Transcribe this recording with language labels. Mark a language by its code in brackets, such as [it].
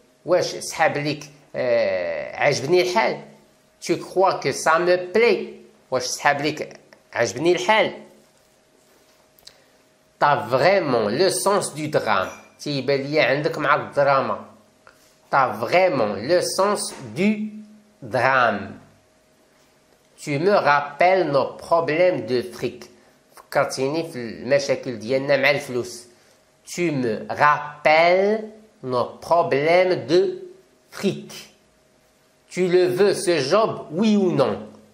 [ar] واش سحاب ليك عجبني الحال؟ [fr] Tu crois que ça me plaît؟ واش سحاب ليك عجبني الحال؟ T'as vraiment le sens du drame. [ar] تيبان ليا عندك مع الدراما. [fr] T'as vraiment le sens du drame. Tu me rappelles nos problèmes de fric. [ar] فكرتيني في المشاكل ديالنا مع الفلوس. [fr] Tu me rappelles nos problèmes de fric. Tu le veux ce job, oui ou non?